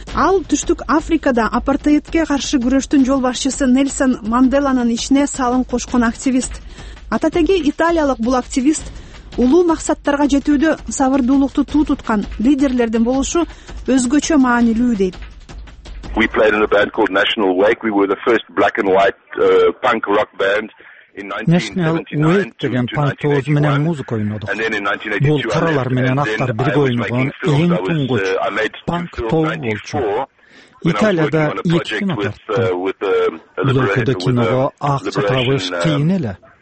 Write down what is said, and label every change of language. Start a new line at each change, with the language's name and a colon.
Kyrgyz: Ал Түштүк Африкада апартеидке каршы күрөштүн жол башчысы Нельсон Манделанын ишине салым кошкон активист. Ата теги италиялык бул активист улуу максаттарга жетүүдө сабырдуулукту туу туткан лидерлердин болушу өзгөчө маанилүү дейт.
English: We played in a band called National Wake. We were the first black and white punk rock band in 1979.
Kyrgyz: National Wake деген панк тобу менен музыка ойнодук. Бул каралар менен актар бирге ойногон эң тунгуч панк тобу болчу. Италияда эки кино тартты. Бул өлкөдө киного акча табыш кыйын эле.